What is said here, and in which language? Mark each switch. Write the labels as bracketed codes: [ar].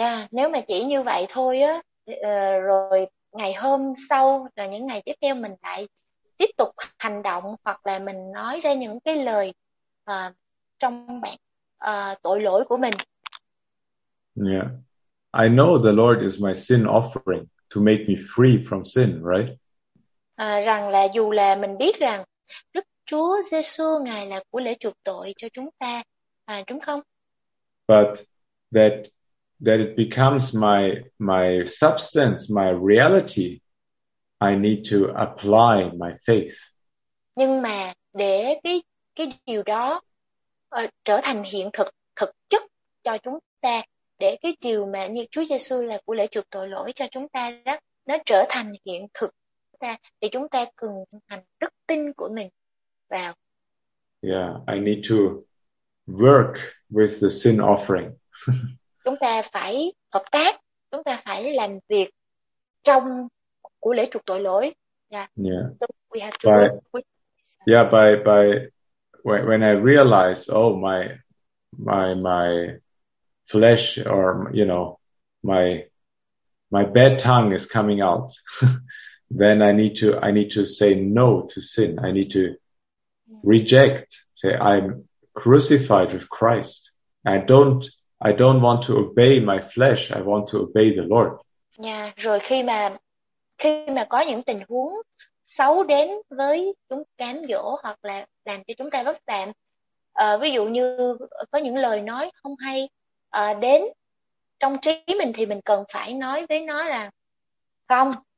[vi] nếu mà chỉ như vậy thôi á, rồi ngày hôm sau là những ngày tiếp theo mình lại tiếp tục hành động hoặc là mình nói ra những cái lời trong bản tội lỗi của mình. [en] I know the Lord is my sin offering to make me free from sin, right? [vi] Rằng là dù là mình biết rằng Đức Chúa Giêsu Ngài là của lễ chuộc tội cho chúng ta, đúng không? [en] But that it becomes my substance, my reality, I need to apply my faith. [vi] Nhưng mà để cái điều đó trở thành hiện thực thực chất cho chúng ta, để cái điều mà như Chúa Giêsu là của lễ chuộc tội lỗi cho chúng ta đó nó trở thành hiện thực ta, thì chúng ta cần hành đức tin của mình vào. [en] I need to work with the sin offering. [vi] Chúng ta phải hợp tác, chúng ta phải làm việc trong của lễ chuộc tội lỗi. [en] We have to work with. When I realize, oh, my flesh, or my bad tongue is coming out, then I need to say no to sin. I need to reject, say I'm crucified with Christ. I don't want to obey my flesh. I want to obey the Lord. [vi] Rồi khi mà có những tình huống xấu đến với chúng, cám dỗ hoặc là làm cho chúng ta vấp phạm, ví dụ như có những lời nói không hay đến trong trí mình, thì mình cần phải nói với nó là không,